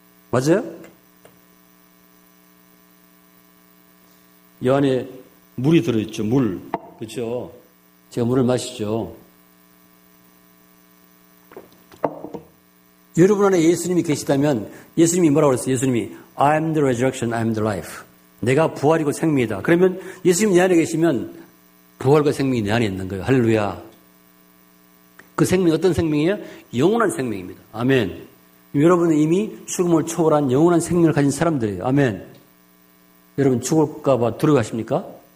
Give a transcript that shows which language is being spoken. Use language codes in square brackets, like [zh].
[ko] 맞아요? 이 안에 물이 들어있죠. 물. 그렇죠? 제가 물을 마시죠. 여러분 안에 예수님이 계시다면 예수님이 뭐라고 그랬어요? 예수님이 [en] I am the resurrection, I am the life. [ko] 내가 부활이고 생명이다. 그러면 예수님이 내 안에 계시면 부활과 생명이 내 안에 있는 거예요. 할렐루야. 그 생명이 어떤 생명이에요? 영원한 생명입니다. 아멘. 여러분은 이미 죽음을 초월한 영원한 생명을 가진 사람들이에요. 아멘. 여러분 죽을까 봐 두려워하십니까?